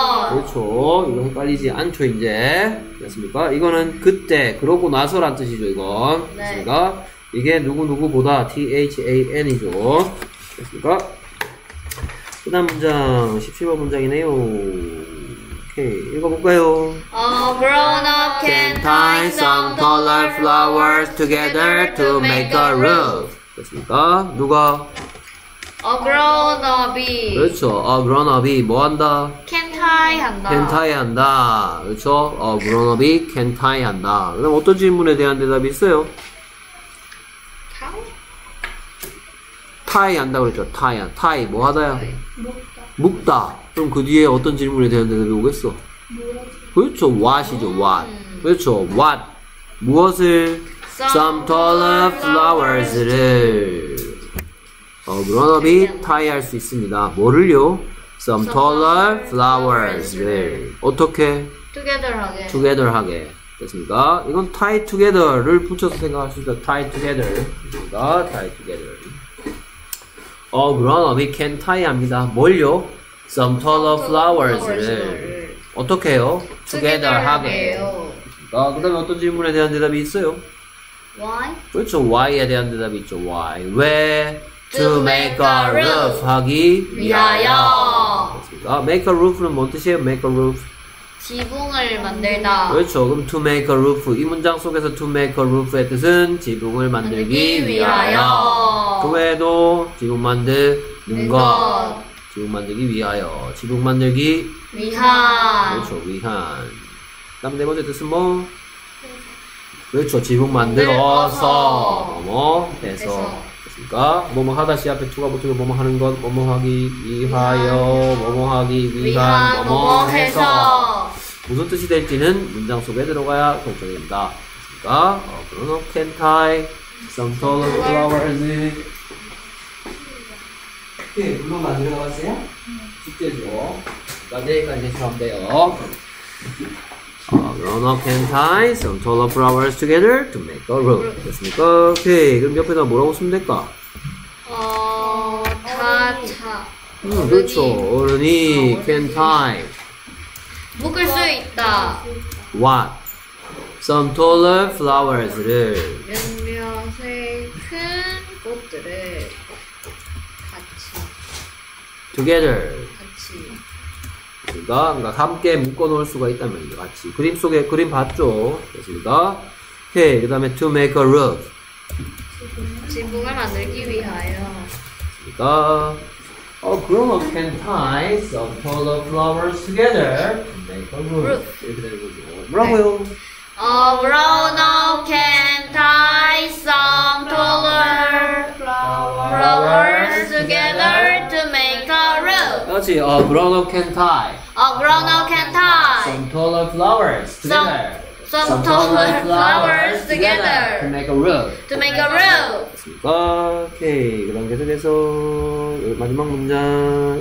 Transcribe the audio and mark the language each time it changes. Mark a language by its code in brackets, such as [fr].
[ko] 그렇죠. 이거 헷갈리지 않죠, 이제. 됐습니까? 이거는 그때, 그러고 나서란 뜻이죠, 이건. 네. 됐습니까? 이게 누구누구보다 than이죠. 됐습니까? 그 다음 문장, 17번 문장이네요. 오케이. 읽어볼까요? [en] A grown up can tie some taller flowers together to make a roof. [ko] 됐습니까? 누가? [en] A grown up이. [ko] 그렇죠. [en] A grown up이 [ko] 뭐 한다? [en] Can tie 한다. Can tie 한다. [ko] 그렇죠. [en] A grown up이 can tie 한다. [ko] 그럼 어떤 질문에 대한 대답이 있어요? [en] tie [ko] 한다 그랬죠. tie 한. tie 뭐 하다야? 묶다. 묶다. 그럼 그 뒤에 어떤 질문에 대한 대답이 오겠어? 그렇죠. what이죠. what. 그렇죠. what. 무엇을? [en] Some taller flowers를. A grown up이 tie [ko] 할 수 있습니다. 뭐를요? [en] Some taller flowers를. [ko] 어떻게? [en] Together 하게. [ko] Together 하게. 됐습니까? 이건 [en] tie together를 [ko] 붙여서 생각할 수 있다. [en] tie together. 됐습니까? tie together. A grown up이 can tie [ko] 합니다. 뭘요? [en] Some taller flowers를. [ko] 어떻게 해요? [en] Together 하게. [ko] 아, 그 다음에 어떤 질문에 대한 대답이 있어요? [en] Why? [ko] 그렇죠. Why에 대한 대답이 있죠. Why? 왜? [en] To make a roof [ko] 하기 위하여. 아, [en] make a roof는 [ko] 뭔 뜻이에요? [en] Make a roof. [ko] 지붕을 만들다. 그렇죠. [en] 그럼 to make a roof. [ko] 이 문장 속에서 to make a roof의 뜻은 지붕을 만들기 위하여. 그 외에도 지붕 만드는 것. 지붕 만들기 위하여. 지붕 만들기 위한. 그렇죠. 위한. 그 다음 네 번째 뜻은 뭐? 그렇죠. 지붕 만들어서. 뭐뭐 해서. 그니까 뭐뭐 하다시 앞에 투가 붙으면 뭐뭐 하는 것, 뭐뭐 하기 위하여, 뭐뭐 하기 위한, 뭐뭐 해서. 무슨 뜻이 될지는 문장 속에 들어가야 결정됩니다. [en] 그니까 A grown up can tie some taller flowers. [ko] 예, 네, 물론 만들어 가세요. 숙제죠. 여기까지 해서 하면 돼요. [en] A grown up can tie some taller flowers together to make a roof. [ko] 됐습니까? 오케이. 그럼 옆에다 뭐라고 쓰면 될까? 어른이. 그렇죠. 어른이 [en] can tie [ko] 묶을 수 있다. [en] What? Some taller flowers를. [ko] 몇몇의 큰 꽃들을 같이. [en] Together. [ko] 같이. 그러니까, 함께 묶어 놓을 수가 있다면 같이. 그림 속에 그림 봤죠. 됐습니다. 오케이. [en] 그 다음에 to make a roof. [ko] 지붕을 만들기 위하여. [en] 그러니까 A grown up can tie some taller flowers together to make a roof. [ko] 이렇게 되는 거죠. 뭐라고요? [en] A grown up can tie Tie some taller flowers together to make a room. 그렇지. A grown up can tie. A grown up can tie. Some taller flowers together. Some taller flowers together. To make a room. To make a room. [ko] Okay. 그 다음 계속해서 마지막 문장